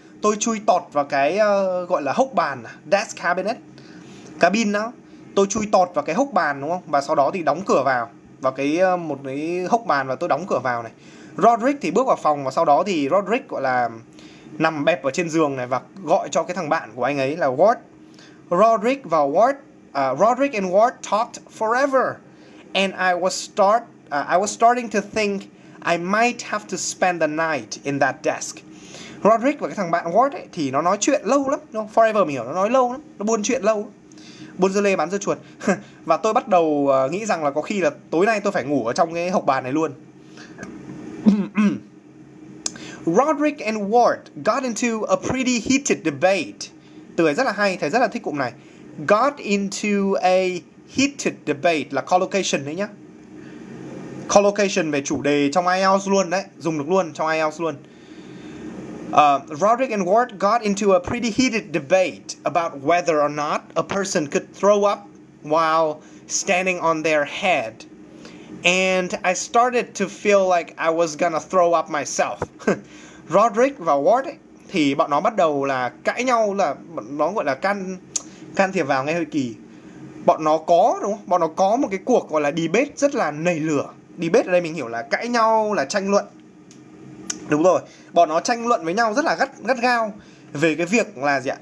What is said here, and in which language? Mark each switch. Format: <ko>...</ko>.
<vi>Tôi chui tọt vào cái gọi là hốc bàn, desk cabinet, cabin đó. Tôi chui tọt vào cái hốc bàn đúng không? Và sau đó thì đóng cửa vào. Vào cái một cái hốc bàn và tôi đóng cửa vào này. Roderick thì bước vào phòng và sau đó thì Roderick gọi là nằm bẹp ở trên giường này và gọi cho cái thằng bạn của anh ấy là Ward.</vi> <en>Roderick và Ward, Roderick and Ward talked forever and I was starting to think I might have to spend the night in that desk.</en> <vi>Roderick và cái thằng bạn Ward ấy thì nó nói chuyện lâu lắm, no, forever mình hiểu, nó nói lâu lắm, nó buôn chuyện lâu. Buôn dưa lê bán dưa chuột. Và tôi bắt đầu nghĩ rằng là có khi là tối nay tôi phải ngủ ở trong cái hộc bàn này luôn.</vi> <en>Roderick and Ward got into a pretty heated debate.</en> <vi>Từ này rất là hay, thầy rất là thích cụm này.</vi> <en>Got into a heated debate</en> <vi>là collocation đấy nhá. Collocation về chủ đề trong IELTS luôn đấy, dùng được luôn trong IELTS luôn.</vi> <en>Roderick and Ward got into a pretty heated debate about whether or not a person could throw up while standing on their head. And I started to feel like I was gonna throw up myself.</en> <vi>Roderick và Ward ấy, thì bọn nó bắt đầu là cãi nhau, là nó gọi là can thiệp vào nghe hơi kỳ. Bọn nó có đúng không? Bọn nó có một cái cuộc gọi là debate rất là nảy lửa. Debate ở đây mình hiểu là cãi nhau, là tranh luận. Đúng rồi, bọn nó tranh luận với nhau rất là gắt gao về cái việc là gì ạ?</vi>